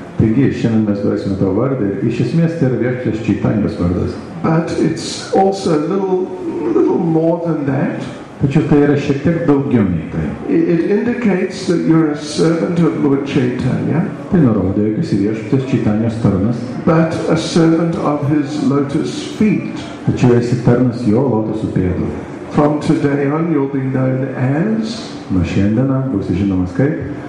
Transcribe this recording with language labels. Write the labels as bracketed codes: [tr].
[lt] Taigi, šiandien mes duosime tavo vardą ir iš esmės tai yra Viešpaties Čaitanijos vardas. [en] But it's also a little more than that. [lt] Tačiau tai yra šiek tiek daugiau nei tai. [en] It indicates that you're a servant of Lord Chaitanya. [lt] Tai nurodo, jog esi viešpaties Čaitanijos tarnas. [en] But a servant of his lotus feet. [lt] Tačiau esi tarnas jo lotusų pėdų. [en] From today on you'll be known as. [lt] Nuo šiandien būsi žinomas kaip.